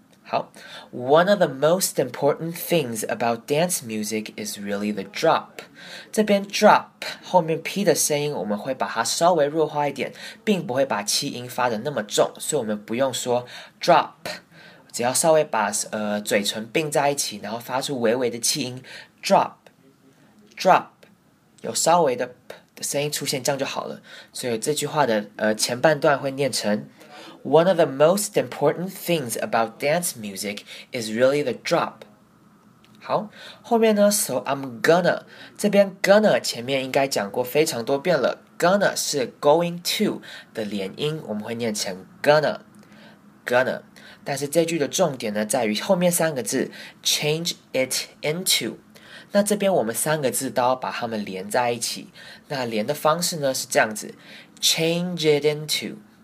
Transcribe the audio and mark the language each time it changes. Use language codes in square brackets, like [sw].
[zh] 好 [en] one of the most important things about dance music is really the drop [zh] 这边 drop 后面 P 的声音我们会把它稍微弱化一点并不会把气音发得那么重所以我们不用说 drop 只要稍微把嘴唇并在一起然后发出微微的气音 drop 有稍微的 P 的声音出现这样就好了所以这句话的前半段会念成 [en] One of the most important things about dance music is really the drop. [zh] 好，后面呢 [en] ，so I'm gonna. [zh] 这边 gonna 前面应该讲过非常多遍了。Gonna 是 going to 的连音，我们会念成 gonna. 但是这句的重点呢，在于后面三个字 [en] change it into. [zh] 那这边我们三个字都要把它们连在一起。那连的方式呢是这样子 ， [en] change it into.